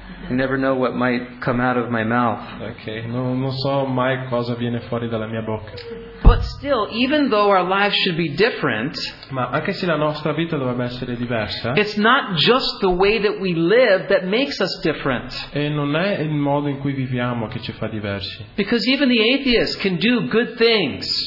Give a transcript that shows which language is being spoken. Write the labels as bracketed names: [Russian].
[English] You never know what might come out of my mouth. Okay. [Italian] Non so mai cosa viene fuori dalla mia bocca. [English] But still, even though our lives should be different, [Italian] ma anche se la nostra vita dovrebbe essere diversa, [English] it's not just the way that we live that makes us different. [Italian] E non è il modo in cui viviamo che ci fa diversi. [English] Because even the atheists can do good things.